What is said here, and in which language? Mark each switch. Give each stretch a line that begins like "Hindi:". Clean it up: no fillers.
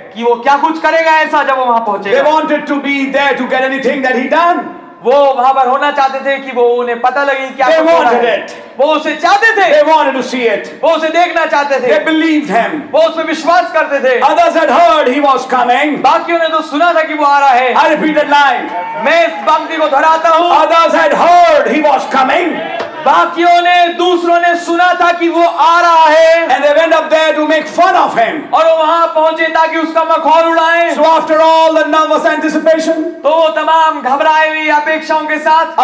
Hindi: कि वो क्या कुछ करेगा ऐसा जब वो वहां पहुंचे
English: They wanted to be there to get anything that he done.
Hindi: वो वहां पर होना चाहते थे कि वो उन्हें पता लगे क्या
English: They wanted it.
Hindi: वो उसे चाहते थे
English: They wanted to see it.
Hindi: वो उसे देखना चाहते थे
English: They believed him.
Hindi: वो उस पर विश्वास करते थे
English: Others had heard he was coming.
Hindi: बाकियों ने तो सुना था कि वो आ रहा है
English: I repeat that line.
Hindi: मैं इस पंक्ति को दोहराता हूँ
English: Others had heard he was coming.
Hindi: बाकियों ने दूसरों ने सुना था कि वो आ रहा है
English: And they went up there to make fun of him.
Hindi: और वो वहां पहुंचे ताकि उसका मखौल उड़ाएं.
English: So after all the nervous anticipation,
Hindi: तो वो तमाम घबराई हुई अपेक्षाओं के साथ